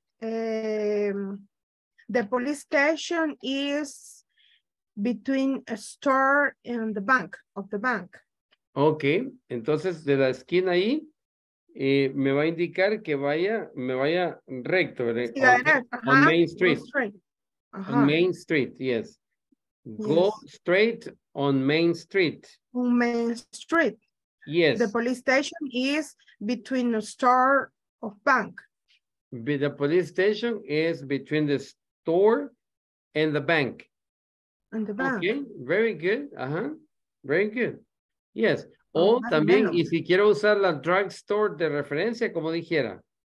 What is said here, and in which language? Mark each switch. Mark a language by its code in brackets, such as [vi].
[en] The police station is between a store and the bank, of the bank. [es] Ok, entonces de la esquina ahí. Me va a indicar que me vaya recto, ¿verdad? Sí, uh-huh. [en] On Main Street. Uh-huh. On Main Street, yes. Go straight on Main Street. On Main Street. Yes. The police station is between the store of bank. The police station is between the store and the bank. And the bank. Okay, very good. Uh-huh. Very good. Yes. [es] O también, y si quiero usar la drugstore de referencia, como dijera.